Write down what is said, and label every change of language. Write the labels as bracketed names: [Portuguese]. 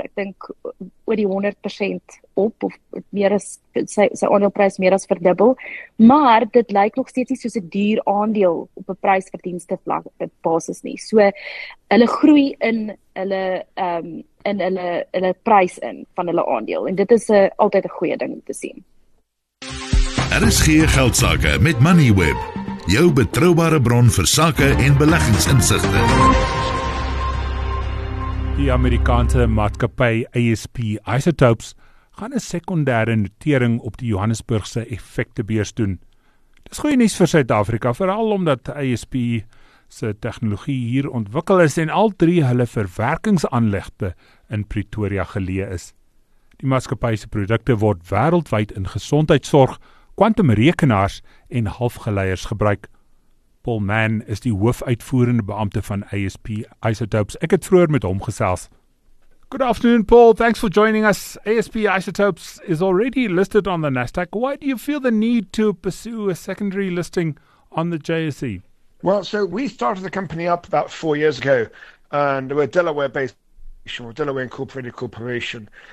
[Afrikaans] Ek dink oor die 100% op of meer as sy aandeleprys meer as verdubbel. Maar dit lyk nog steeds nie soos 'n duur aandeel op 'n prysverdienste vlak basis nie. So hulle groei in hulle in hulle prys in van hulle aandeel en dit is 'n altyd 'n goeie ding om te sien. Daar is geen geldsaake met Moneyweb. Jou betroubare bron vir sakke en beleggingsinsigte. Die Amerikaanse maatskappy ASP Isotopes gaan 'n sekondêre notering op die Johannesburgse effektebeurs doen. Dis goeie nuus vir Suid-Afrika, veral omdat ASP se tegnologie hier ontwikkel is en al drie hulle verwerkingsaanlegte in Pretoria geleë is. Die maatskappy se produkte word wêreldwyd in gesondheidsorg, kwantumrekenaars en halfgeleiers gebruik. Paul Mann is die hoofuitvoerende beampte van ASP Isotopes. Ek het vroeër met hom gesels. [English] Good afternoon, Paul. Thanks for joining us. ASP Isotopes is already listed on the Nasdaq. Why do you feel the need to pursue a secondary listing on the JSE? Well, so we started the company up about 4 years ago, and we're Delaware-incorporated corporation.